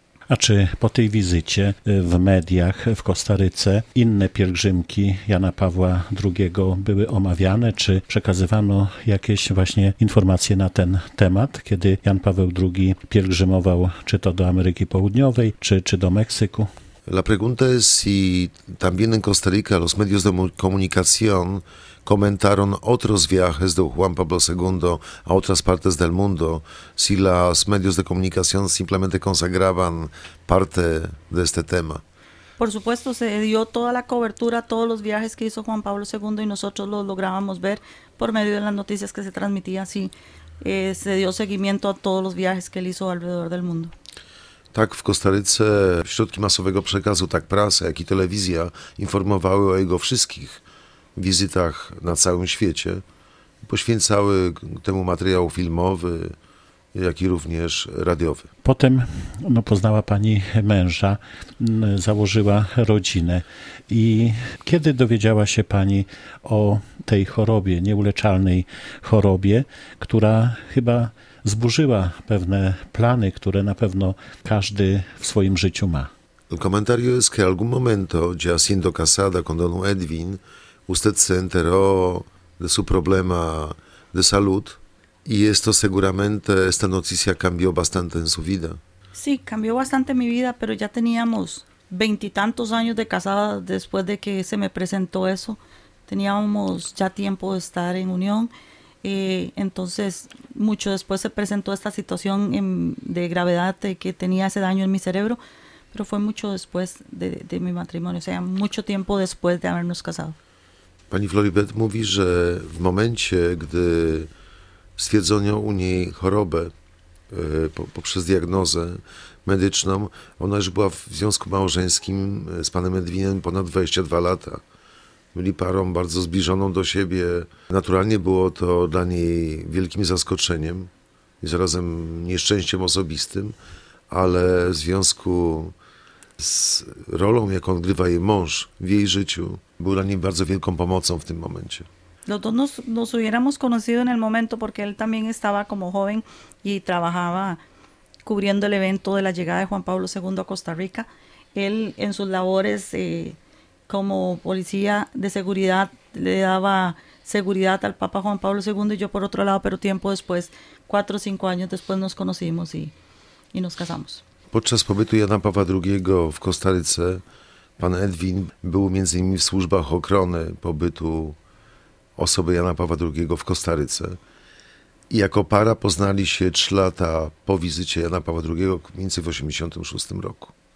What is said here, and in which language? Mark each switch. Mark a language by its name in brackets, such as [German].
[Polish] A czy po tej wizycie w mediach w Kostaryce inne pielgrzymki Jana Pawła II były omawiane? Czy przekazywano jakieś właśnie informacje na ten temat, kiedy Jan Paweł II pielgrzymował czy to do Ameryki Południowej, czy do Meksyku? [Spanish] La pregunta es si también en Costa Rica los medios de comunicación comentaron otros viajes de Juan Pablo II a otras partes del mundo, si los medios de comunicación simplemente consagraban parte de este tema. Por supuesto, se dio toda la cobertura, todos los viajes que hizo Juan Pablo II y nosotros los lográbamos ver por medio de las noticias que se transmitían, sí, se dio seguimiento a todos los viajes que él hizo alrededor del mundo. [Polish] Tak, w Kostaryce środki masowego przekazu, tak prasa, jak i telewizja, informowały o jego wszystkich wizytach na całym świecie. Poświęcały temu materiał filmowy, jak i również radiowy. Potem no, poznała pani męża, założyła rodzinę. I kiedy dowiedziała się pani o tej chorobie, nieuleczalnej chorobie, która chyba zburzyła pewne plany, które na pewno każdy w swoim życiu ma. [Spanish] El comentario es que algún momento, ya siendo casada con don Edwin, usted se enteró de su problema de salud, Y esto seguramente, esta noticia cambió bastante en su vida. Sí, cambió bastante mi vida, pero ya teníamos 20 y tantos años de casada después de que se me presentó eso. Teníamos ya tiempo de estar en unión. Entonces, mucho después se presentó esta situación de gravedad que tenía ese daño en mi cerebro, pero fue mucho después de mi matrimonio, o sea, mucho tiempo después de habernos casado. [Polish] Pani Floribet mówi, że w momencie, gdy stwierdzono u niej chorobę poprzez diagnozę medyczną, ona już była w związku małżeńskim z panem Edwinem ponad 22 lata. Byli parą bardzo zbliżoną do siebie. Naturalnie było to dla niej wielkim zaskoczeniem i zarazem nieszczęściem osobistym, ale w związku z rolą, jaką odgrywa jej mąż w jej życiu, był dla niej bardzo wielką pomocą w tym momencie. [Spanish] Los dos nos hubiéramos conocido en el momento porque él también estaba como joven y trabajaba cubriendo el evento de la llegada de Juan Pablo II a Costa Rica. Él en sus labores como policía de seguridad le daba seguridad al Papa Juan Pablo II y yo por otro lado, pero tiempo después, 4 o 5 años después nos conocimos y nos casamos. [Polish] Podczas pobytu Jana Pawła II w Kostaryce, pan Edwin był między innymi w służbach ochrony pobytu osoby Jana Pawła II w Kostaryce. I jako para poznali się 3 lata po wizycie Jana Pawła II, mniej więcej w 1986 roku.